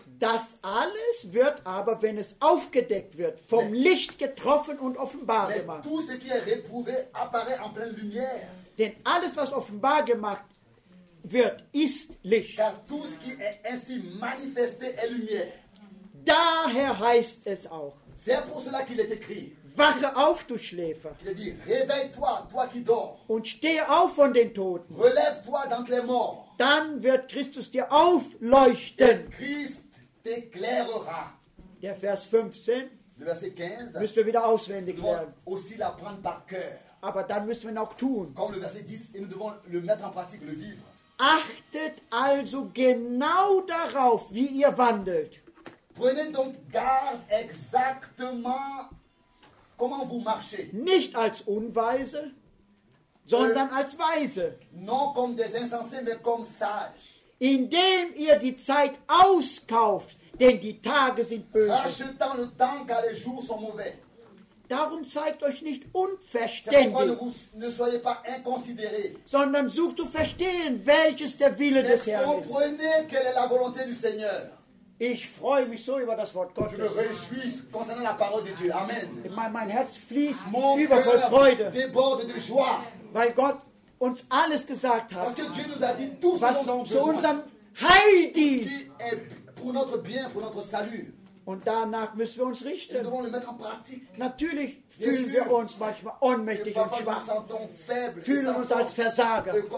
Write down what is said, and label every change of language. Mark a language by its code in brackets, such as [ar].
[de] Das alles wird aber, wenn es aufgedeckt wird, vom Licht getroffen und offenbar gemacht. [fr] Tout ce qui est réprouvé apparaît en pleine lumière. [de] Denn alles, was offenbar gemacht wird, ist Licht. [fr] Car tout ce qui est ainsi manifesté est lumière. [de] Daher heißt es auch. [fr] C'est pour cela qu'il est écrit. [de] Wache auf, du Schläfer. [fr] Il a dit, réveille-toi, toi qui dors. [de] Und stehe auf von den Toten. [fr] Relève-toi d'entre les morts. [de] Dann wird Christus dir aufleuchten. Der [fr] Christ t'éclairera. [de] Der Vers 15. [fr] Le verset 15. [de] Müssen wir wieder auswendig lernen. [fr] Aussi l'apprendre par cœur. [de] Aber dann müssen wir ihn auch tun. [fr] Comme le verset 10, et nous devons le mettre en pratique, le vivre. [de] Achtet also genau darauf, wie ihr wandelt. [fr] Prenez donc garde exactement comment vous marchez. [de] Nicht als Unweise, sondern als Weise. [fr] Non comme des insensés, mais comme sages. [de] Indem ihr die Zeit auskauft, denn die Tage sind böse. [fr] Achetant le temps, car les jours sont mauvais. [de] Darum zeigt euch nicht unverständlich. [fr] C'est pourquoi ne soyez pas inconsidérés. [de] Sondern sucht zu verstehen, welches der Wille des Herrn ist. [fr] Comprenez quelle est la volonté du Seigneur. [de] Ich freue mich so über das Wort Gottes. [fr] Je me réjouis concernant la parole de Dieu. [de] Amen. Mein Herz fließt über voll Freude. [fr] Mon cœur déborde de joie. [de] Weil Gott uns alles gesagt hat, [fr] parce que Dieu nous a dit tout ce [de] was zu unserem Heil dich! [fr] Qui est pour notre bien, pour notre salut. [de] Und danach müssen wir uns richten. Wir müssen es in Praxis. Natürlich fühlen wir uns manchmal ohnmächtig und schwach. Fühlen uns als Versager.